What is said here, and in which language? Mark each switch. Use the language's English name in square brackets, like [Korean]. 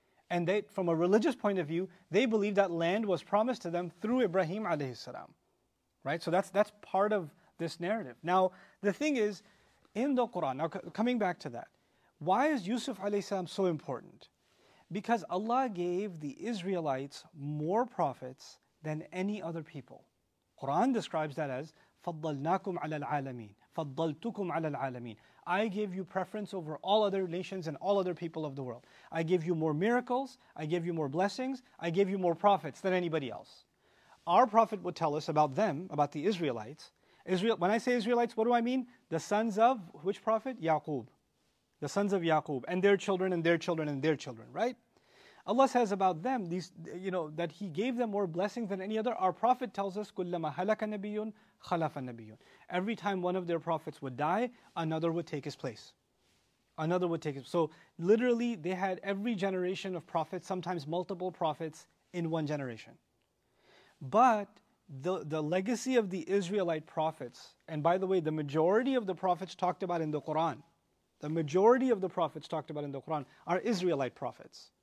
[English] And they, from a religious point of view, they believe that land was promised to them through Ibrahim alayhi salam. Right? So that's part of this narrative. Now, the thing is, in the Quran, now coming back to that, why is Yusuf alayhi salam so important? Because Allah gave the Israelites more prophets than any other people. Quran describes that as [Arabic] فَضَّلْنَاكُمْ عَلَى الْعَالَمِينَ فَضَّلْتُكُمْ عَلَى الْعَالَمِينَ. [English] I gave you preference over all other nations and all other people of the world. I gave you more miracles, I gave you more blessings, I gave you more prophets than anybody else. Our prophet would tell us about them, about the Israelites. When I say Israelites, what do I mean? The sons of which prophet? Yaqub. The sons of Yaqub and their children and their children and their children, right? Allah says about them, these, you know, that He gave them more blessings than any other. Our prophet tells us, [Arabic] كُلَّمَا هَلَكَ نَبِيٌّ خَلَفَ نَبِيٌّ. [English] Every time one of their prophets would die, another would take his place. Another would take his place. So literally, they had every generation of prophets, sometimes multiple prophets in one generation. But the legacy of the Israelite prophets, and by the way, the majority of the prophets talked about in the Quran, the majority of the prophets talked about in the Quran are Israelite prophets.